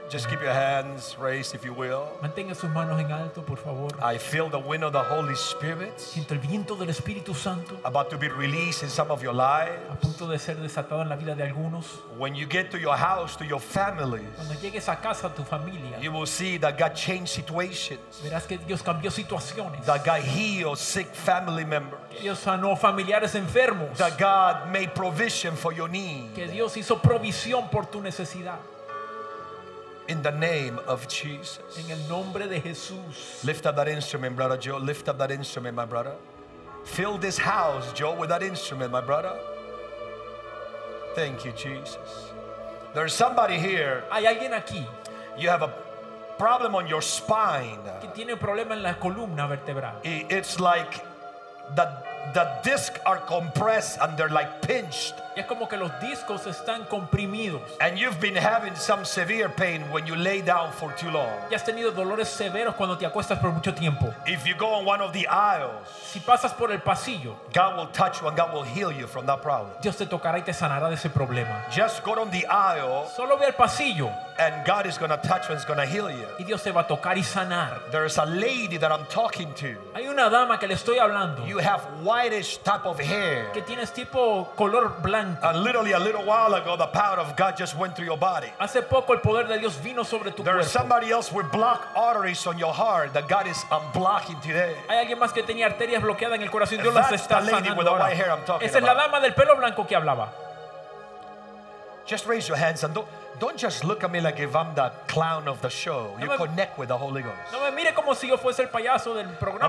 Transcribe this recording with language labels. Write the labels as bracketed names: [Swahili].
[English] Just keep your hands raised if you will. [Spanish] Mantenga sus manos en alto, por favor. [English] I feel the wind of the Holy Spirit. [Spanish] Siento el viento del Espíritu Santo. [English] About to be released in some of your lives. [Spanish] A punto de ser desatado en la vida de algunos. [English] When you get to your house, to your families. [Spanish] Cuando llegues a casa, a tu familia. [English] You will see that God changed situations. [Spanish] Verás que Dios cambió situaciones. [English] That God healed sick family members. [Spanish] Dios sanó familiares enfermos. [English] That God made provision for your need. [Spanish] Que Dios hizo provisión por tu necesidad. [English] In the name of Jesus. [Spanish] En el nombre de Jesús. [English] Lift up that instrument, brother Joe. Lift up that instrument, my brother. Fill this house, Joe, with that instrument, my brother. Thank you, Jesus. There's somebody here. [Spanish] Hay alguien aquí. [English] You have a problem on your spine. [Spanish] Que tiene un problema en la columna vertebral. [English] It's like the discs are compressed and they're like pinched. [Spanish] Es como que los discos están comprimidos. [English] And you've been having some severe pain when you lay down for too long. [Spanish] Y has tenido dolores severos cuando te acuestas por mucho tiempo. [English] If you go on one of the aisles, [Spanish] si pasas por el pasillo, [English] God will touch you and God will heal you from that problem. [Spanish] Dios te tocará y te sanará de ese problema. [English] Just go on the aisle. [Spanish] Solo ve al pasillo. [English] And God is going to touch you and is going to heal you. [Spanish] Y Dios te va a tocar y sanar. [English] There is a lady that I'm talking to. [Spanish] Hay una dama que le estoy hablando. [English] You have whitish type of hair. [Spanish] Que tienes tipo color blanco. [English] And literally a little while ago the power of God just went through your body. [Spanish] Hace poco el poder de Dios vino sobre tu [English] there [Spanish] cuerpo. [English] Is somebody else with blocked arteries on your heart that God is unblocking today. [Spanish] Hay alguien más que tenía arterias bloqueadas en el corazón. Dios las está sanando. [English] That's the lady with the white hair I'm talking [Spanish] about. Esa es la dama del pelo blanco que hablaba. [English] Just raise your hands and don't just look at me like if I'm the clown of the show. [Spanish] No, [English] you connect with the Holy Ghost. [Spanish] No me mire como si yo fuese el payaso del programa.